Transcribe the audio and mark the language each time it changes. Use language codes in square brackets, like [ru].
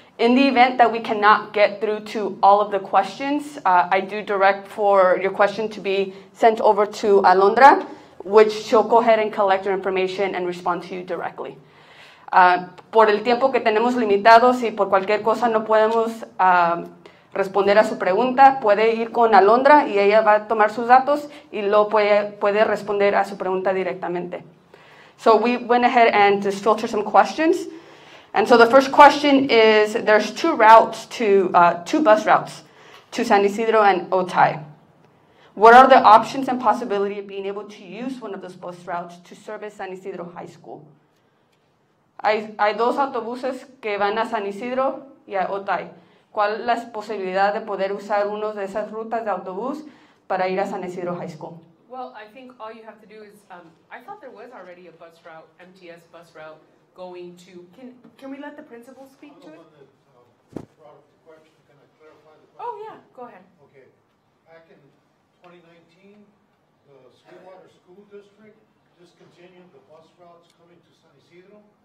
[en] In the event that we cannot get through to all of the questions, I do direct for your question to be sent over to Alondra, which she'll go ahead and collect your information and respond to you directly. [es] Por el tiempo que tenemos limitado, si por cualquier cosa no podemos responder a su pregunta, puede ir con Alondra y ella va a tomar sus datos y luego puede responder a su pregunta directamente. [en] So we went ahead and just filtered some questions. And so the first question is, there's two bus routes to San Ysidro and Otay. What are the options and possibility of being able to use one of those bus routes to service San Ysidro High School? [es] Hay dos autobuses que van a San Ysidro y a Otay. ¿Cuál la posibilidad de poder usar uno de esas rutas de autobús para ir a San Ysidro High School? [en] Well, I think all you have to do is, I thought there was already a bus route, MTS bus route, going to, can we let the principal speak to it? I'm the one that brought up the question. Can I clarify the question? Oh, yeah, go ahead. Okay. Back in 2019, the Sweetwater School District discontinued the bus routes coming to San Ysidro.